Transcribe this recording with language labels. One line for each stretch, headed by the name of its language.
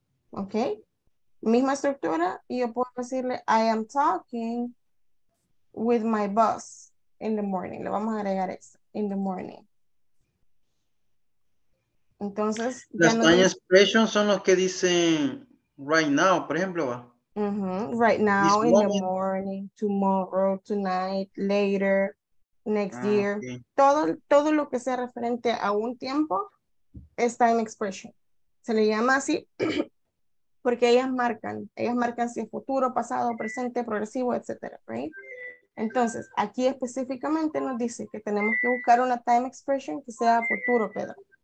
Spanish: ¿Ok? Misma estructura, y yo puedo decirle,
English: I am talking with my boss in the morning.
Spanish: Le vamos a agregar eso,
English: in the morning.
Spanish: Entonces, las time expressions son los que dicen
English: right now,
Spanish: por ejemplo. Uh-huh.
English: Right now, in the morning, tomorrow, tonight, later, next year. Okay.
Spanish: Todo lo que sea referente a un tiempo es time expression. Se le llama así porque ellas marcan si es futuro, pasado, presente, progresivo, etc. Right? Entonces, aquí específicamente nos dice que tenemos que buscar una time expression que sea futuro, Pedro.